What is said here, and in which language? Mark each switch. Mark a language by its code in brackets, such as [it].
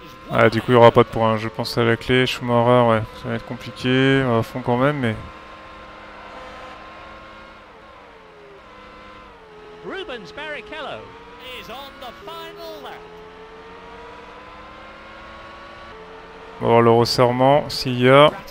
[fr] Ah, du coup, il n'y aura pas de points. Je pense à la clé. Schumacher, ouais, ça va être compliqué. On va à fond quand même, mais. [en] Rubens Barrichello is on the final lap. [fr] On va voir le resserrement, s'il y a.